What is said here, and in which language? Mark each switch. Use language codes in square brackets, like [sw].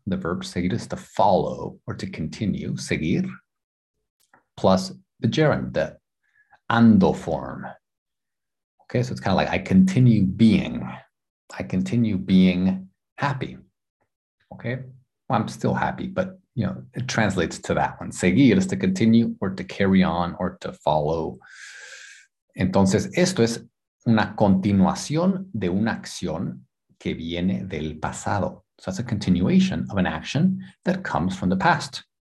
[en] The verb seguir is to follow or to continue. Seguir plus the gerund, the ando form. Okay, so it's kind of like I continue being happy. Okay, well, I'm still happy, but you know, it translates to that one. Seguir is to continue or to carry on or to follow. [es] Entonces, esto es una continuación de una acción que viene del pasado. [en] So that's a continuation of an action that comes from the past.